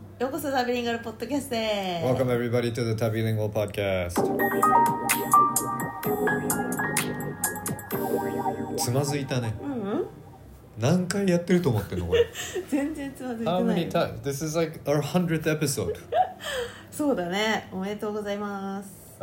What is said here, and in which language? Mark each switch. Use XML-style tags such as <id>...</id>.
<ja>ー、ようこそタビリンガルポッドキャストへ。</ja> <en>Welcome everybody to the タビリンガルポッドキャスト。</en> <ja>つまずいたね。何回やってると思ってんのこれ。全然つまずいてない。</ja> <en>How many times? This is like our 100th episode.</en> <ja>そうだね、おめでとうございます。</ja>